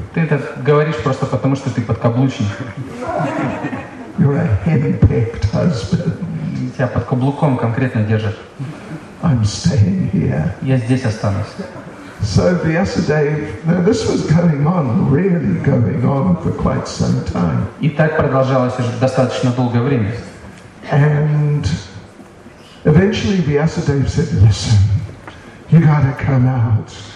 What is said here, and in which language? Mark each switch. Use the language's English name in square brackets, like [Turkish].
[Russian] Ты это говоришь просто потому, что ты подкаблучник. [English] You're a henpecked husband. [Russian] Тебя под каблуком конкретно держат. [English] I'm staying here. [Russian] Я здесь останусь. [English] So Vyasadeva, this was going on, really going on for quite some time. [Russian] И так продолжалось уже достаточно долгое время. [English] And eventually Vyasadeva said, "Listen, you gotta come out."